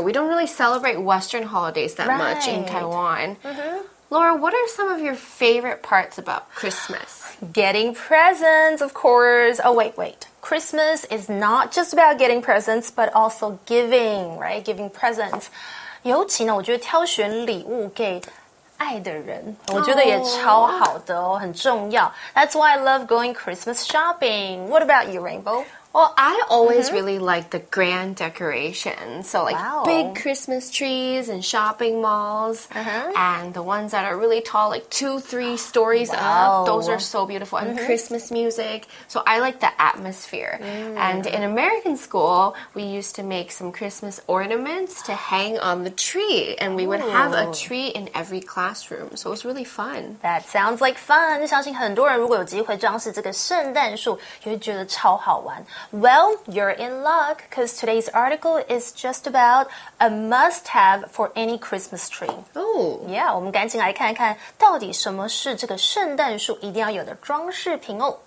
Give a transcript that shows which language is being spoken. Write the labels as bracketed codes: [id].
[en] We don't really celebrate Western holidays that much in Taiwan. Laura, what are some of your favorite parts about Christmas? Getting presents, of course. Oh, wait. Christmas is not just about getting presents, but also giving, right? Giving presents. [zh] 尤其呢，我觉得挑选礼物给爱的人，我觉得也超好的哦，很重要。 [en] That's why I love going Christmas shopping. What about you, Rainbow? Well, I always really like the grand decorations. So like big Christmas trees and shopping malls and the ones that are really tall, like 2-3 stories up. Those are so beautiful. And Christmas music. So I like the atmosphere. And in American school, we used to make some Christmas ornaments to hang on the tree. And we would have a tree in every classroom. So it was really fun. That sounds like fun. [zh] 相信很多人如果有机会装饰这个圣诞树，也会觉得超好玩。 [en] Well, you're in luck, because today's article is just about a must-have for any Christmas tree. Ooh. [zh] Yeah, 我们赶紧来看看到底什么是这个圣诞树一定要有的装饰品哦。